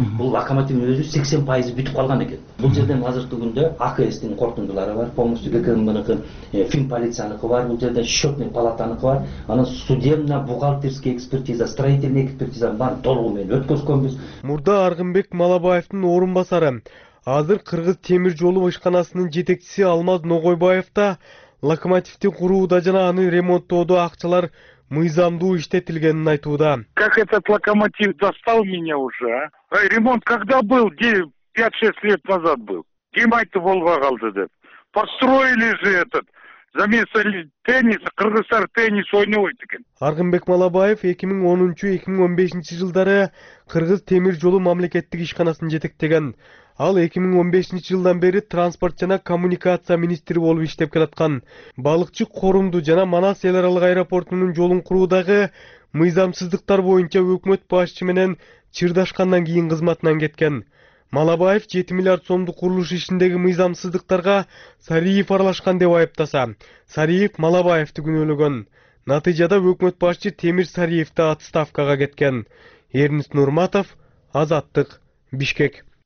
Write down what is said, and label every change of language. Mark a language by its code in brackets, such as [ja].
[ky] Бул локомотивдин өзү 80% бүтүп калган экен. Бул жерден азыркы күндө АКСдин кортундулары бар, полностью ГКМБныкы, фин полициянын кылар, бул жерде счетный палатанын кылар, анан судебная бухгалтерский экспертиза, строительный экспертиза бар, толугу менен өткөзгөнбүз. Мурда Аргынбек Малабаевдин орун басары, азыр Кыргыз темир жолу башканасынын жетекчиси Алмаз Ногойбаев да локомотивди курууда жана аны ремонттоодо акчалар мыйзамдуу иштетилгенин айтууда. [ru] Как этот локомотив достал меня уже, а? Ремонт когда был? 5-6 лет назад был. [ky] Ким айтты болбой калды деп? [ru] Построили же этот. [ky] Замеса теннис, кыргыздар теннис ойнобойт экен. Аргынбек Малабаев 2010-2015 жылдары Кыргыз темир жолу мамлекеттик ишканасын жетектеген. Ал 2015 жылдан бери транспорт жана коммуникация министри болуп иштеп келаткан. Балыкчы корумду жана Манас эл аралык аэропортунун жолун куруудагы мыйзамсыздыктар боюнча өкмөт башчы менен чырдашкандан кийин кызматынан кеткен. Малабаев 7 миллиард сомдук курулуш ишиндеги мыйзамсыздыктарга Сариев аралашкан деп айыптаса, Сариев Малабаевди күнөөлөгөн. Натыйжада өкмөт башчы Темир Сариевди отставкага кеткен. Эрнис Нурматов, Азаттык, Бишкек.